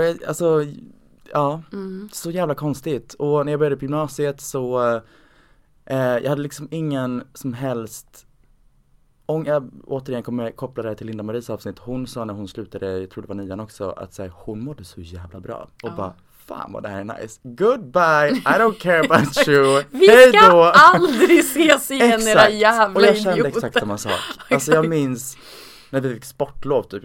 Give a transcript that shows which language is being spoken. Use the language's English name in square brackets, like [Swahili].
[Swedish] Alltså, ja. Mm. Så jävla konstigt. Och när jag började på gymnasiet så Jag hade liksom ingen som helst... Jag återigen kommer jag koppla det till Linda Maries avsnitt. Hon sa när hon slutade, jag tror det var nian också, att så här, hon mådde så jävla bra. Och ja, bara, fan vad det här är nice. [English] Goodbye, I don't care about you. [Swedish] Vi hejdå. Ska aldrig ses igen, era jävla idioter. Och jag kände exakt samma sak. Alltså jag minns när vi fick sportlov typ.